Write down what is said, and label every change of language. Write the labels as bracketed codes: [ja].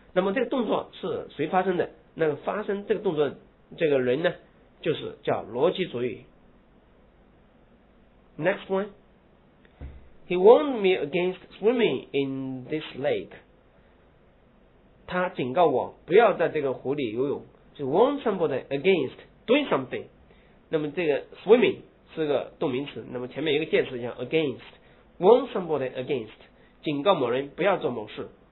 [zh] 那么这个动作是谁发生的？那个发生这个动作这个人呢，就是叫逻辑主语。 [en] Next one,He warned me against swimming in this lake. [zh] 他警告我不要在这个湖里游泳。 [en] So warn somebody against doing something. [zh] 那么这个 swimming 是个动名词，那么前面一个介词叫 against. [en] Warn somebody against [zh] 警告某人不要做某事。